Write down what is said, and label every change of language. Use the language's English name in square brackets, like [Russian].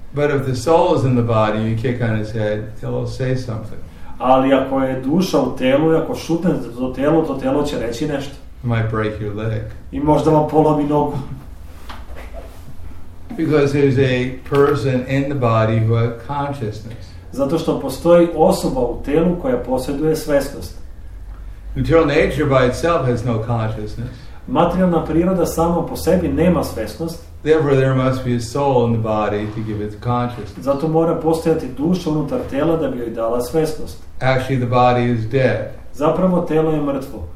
[English] But if the soul is in the body, you kick on his head, he'll say something. [Serbian] Ali ako je duša u telu, ako šutnete to telo, to telo će reći nešto. [English] Might break your leg. [Serbian] I možda vam polomi nogu. [English] Because there's a person in the body who has consciousness. [Serbian] Zato što postoji osoba u telu koja posjeduje svjesnost. [English] Material nature by itself has no consciousness. [Serbian] Materijalna priroda sama po sebi nema svjesnost. [English] Therefore there must be a soul in the body to give it consciousness. [Serbian] Zato mora postojati duša unutar tela da bi joj dala svjesnost. [English] Actually the body is dead. [Serbian] Zapravo telo je mrtvo.